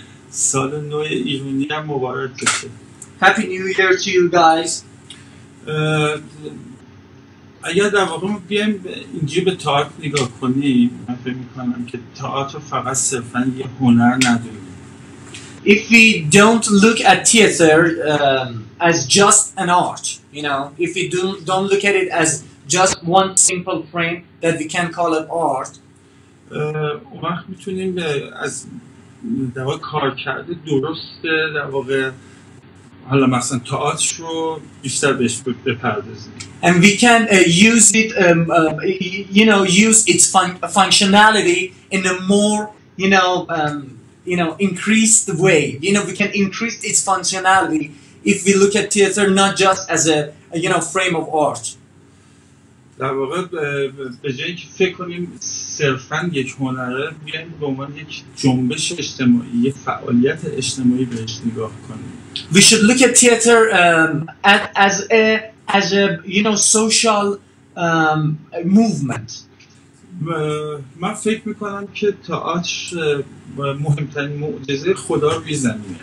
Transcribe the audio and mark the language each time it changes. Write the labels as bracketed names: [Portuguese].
[Persian] سال نو ایرانی هم مبارک باشه. [English] Happy New Year to you guys. [Persian] اگر در واقع بیایم اینجوری به تئاتر نگاه کنیم، من فکر می‌کنم که تئاتر فقط صرفاً یه هنر نداره. [English] If we don't look at theater as just an art, you know, if we don't look at it as just one simple frame that we can call it art. [Persian] وقت میتونیم از در واقع کارکرد درست در واقع حالا مثلا تئاتر رو بیشتر بهش بپردازیم. [English] And we can use it, you know, use its functionality in a more, you know, increased way. You know, we can increase its functionality if we look at theater not just as a, you know, frame of art. [Persian] در واقع به جایی که فکر کنیم صرفاً یک هنره، بیاییم به عنوان یک جنبش اجتماعی، یک فعالیت اجتماعی بهش نگاه کنیم. [English] We should look at theater as a you know, social movement. [Persian] من فکر میکنم که تئاتر مهمترین معجزه خدا روی زمینه.